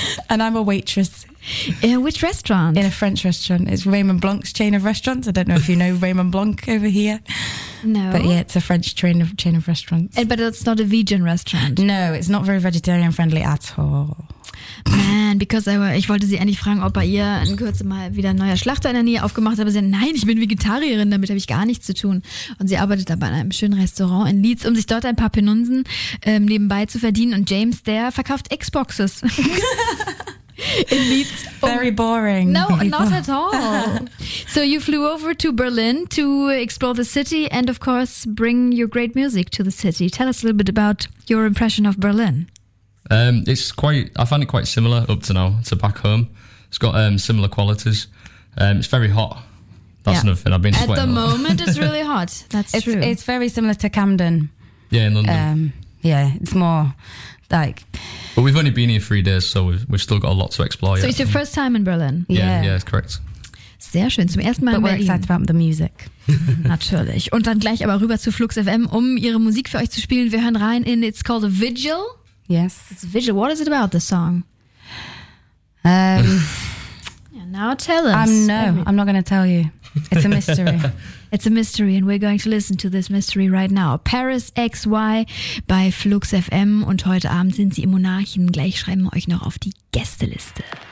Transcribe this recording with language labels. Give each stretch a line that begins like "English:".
English: And I'm a waitress. In which restaurant? In a French restaurant. It's Raymond Blanc's chain of restaurants. I don't know if you know Raymond Blanc over here. No. But yeah, it's a French chain of restaurants. But it's not a vegan restaurant. No, it's not very vegetarian friendly at all.
German: Man, ich wollte sie endlich fragen, ob bei ihr in Kürze mal wieder ein neuer Schlachter in der Nähe aufgemacht hat. Aber sie sagt, nein, ich bin Vegetarierin, damit habe ich gar nichts zu tun. Und sie arbeitet aber in einem schönen Restaurant in Leeds, um sich dort ein paar Penunzen nebenbei zu verdienen. Und James, der verkauft Xboxes. In Leeds.
English: Very boring. No, not at all. So you flew over to Berlin to explore the city and of course bring your great music to the city. Tell us a little bit about your impression of Berlin. I find it quite similar up to now to back home. It's got similar qualities. It's very hot. That's another thing. I've been sweating. At the moment, it's really hot. That's true. It's very similar to Camden. Yeah, in London. It's more like. But we've only been here 3 days, so we've still got a lot to explore. So it's your first time in Berlin? Yeah, it's correct.
German: Sehr schön. Zum ersten Mal in Berlin.
English: But we're excited about the music.
German: Natürlich. Und dann gleich aber rüber zu Flux FM, um ihre Musik für euch zu spielen. Wir hören rein in It's Called a Vigil.
English: Yes. It's Vigil. What is it about, the song? Now tell us. I'm not going to tell you. It's a mystery. It's a mystery and we're going to listen to this mystery right now.
German: Paris XY bei Flux FM und heute Abend sind sie im Monarchen. Gleich schreiben wir euch noch auf die Gästeliste.